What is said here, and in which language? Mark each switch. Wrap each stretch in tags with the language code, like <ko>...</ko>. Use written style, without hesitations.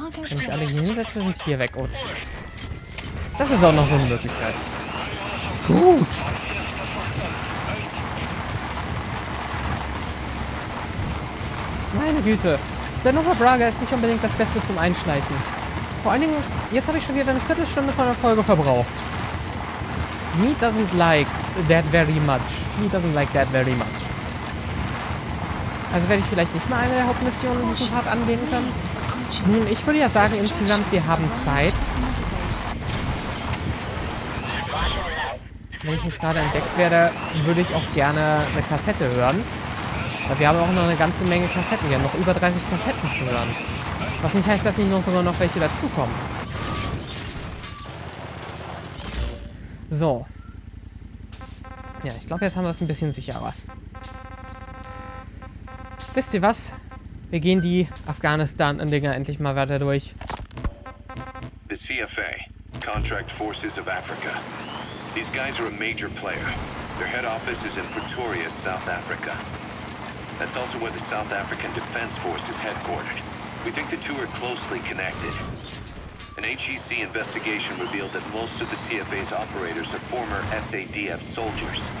<de>Wenn ich alle hier hinsetze, sind die hier weg. Und das ist auch noch so eine Möglichkeit. Gut. Meine Güte, der Nova Braga ist nicht unbedingt das Beste zum Einschleichen. Vor allen Dingen, jetzt habe ich schon wieder eine Viertelstunde von der Folge verbraucht.</de> <en>Me doesn't like that very much. Me doesn't like that very much.</en> <de>Also werde ich vielleicht nicht mal eine der Hauptmissionen in diesem Part angehen können. Nun, ich würde ja sagen, insgesamt, wir haben Zeit. wenn ich nicht gerade entdeckt werde, würde ich auch gerne eine Kassette hören. Weil wir haben auch noch eine ganze Menge Kassetten. Wir haben noch über 30 Kassetten zu hören. Was nicht heißt, dass nicht noch sogar noch welche dazukommen. So. Ja, ich glaube, jetzt haben wir es ein bisschen sicherer. Wisst ihr was? Wir gehen die Afghanistan-Dinger endlich mal weiter durch.</de> <en>The CFA, Contract Forces of Africa. These guys are a major player. Their head office is in Pretoria, South Africa. That's also where the South African Defense Force is headquartered. We think the two are closely connected. An HEC investigation revealed that most of the CFA's operators are former SADF soldiers.</en>